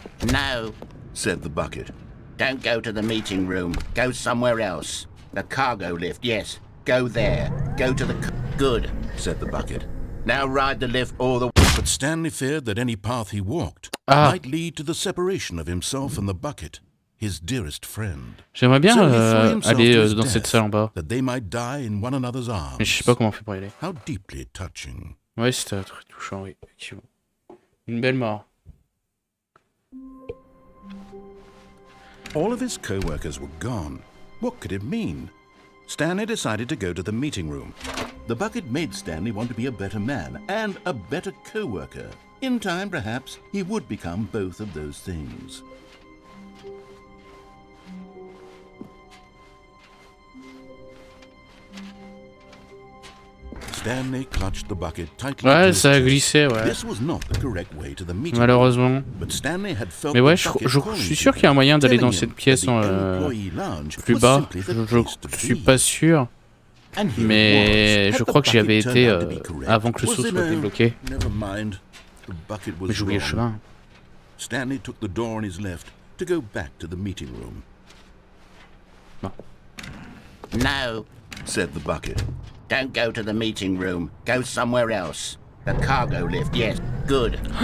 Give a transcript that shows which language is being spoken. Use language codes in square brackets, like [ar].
[en] No, said the bucket. Don't go to the meeting room. Go somewhere else. The cargo lift, yes. Go there. Go to the... Good, said the bucket. Now ride the lift all the... But Stanley feared that any path he walked might lead to the separation of himself and the bucket, his dearest friend. [fr] J'aimerais bien aller dans cette salle en bas. [en] That they might die in one another's arms. [fr] Mais je sais pas comment on fait pour y aller. [en] How deeply touching. [fr] Ouais, c'était très touchant, oui. Une belle mort. [en] All of his co-workers were gone. What could it mean? Stanley decided to go to the meeting room. The bucket made Stanley want to be a better man and a better co-worker. In time, perhaps, he would become both of those things. Stanley clutched the bucket tightly. [fr] Ouais, ça a glissé, ouais. [en] This was not the correct way to the meeting. [fr] Malheureusement. Mais ouais, je suis sûr qu'il y a un moyen d'aller dans cette pièce en plus bas. Je suis pas sûr. Mais je crois que j'y avais été avant que le saut soit débloqué. Mais j'ai oublié le chemin. [en] Stanley took the door on his left to go back to the meeting room. No, said the bucket. Don't go to the meeting room. Go somewhere else. The cargo lift. Yes. Good.